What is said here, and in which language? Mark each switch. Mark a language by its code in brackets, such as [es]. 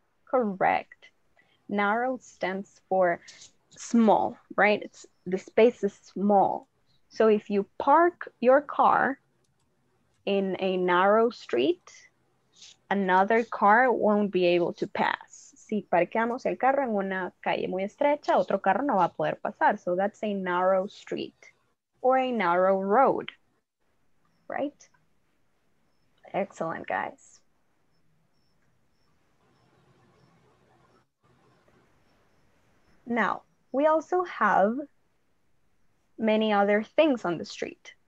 [en] Correct. Narrow stands for small, right? It's, the space is small. So if you park your car in a narrow street, another car won't be able to pass. [es] Si parqueamos el carro en una calle muy estrecha, otro carro no va a poder pasar. [en] So that's a narrow street or a narrow road. Right? Excellent, guys. Now, we also have many other things on the street.